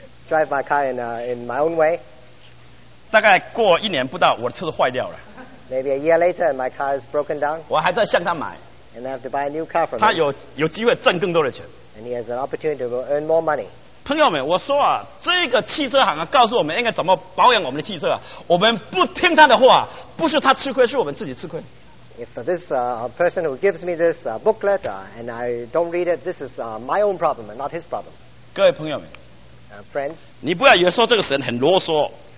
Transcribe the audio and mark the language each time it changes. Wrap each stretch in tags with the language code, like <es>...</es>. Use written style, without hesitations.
<en>drive my car in my own way.</en> <zh>大概过一年不到，我的车子坏掉了。</zh> <en>Maybe a year later, my car is broken down.</en> <zh>我还在向他买。</zh> <en>And I have to buy a new car from</en> <zh>他有机会赚更多的钱。</zh> <en>And he has an opportunity to earn more money.</en> <zh>朋友们，我说啊，这个汽车行啊，告诉我们应该怎么保养我们的汽车啊。我们不听他的话，不是他吃亏，是我们自己吃亏。</zh> <en>If this person who gives me this booklet and I don't read it, this is my own problem and not his problem.</en> <zh>各位朋友们</zh> <en>friends,</en> <zh>你不要以为说这个神很啰嗦。</zh>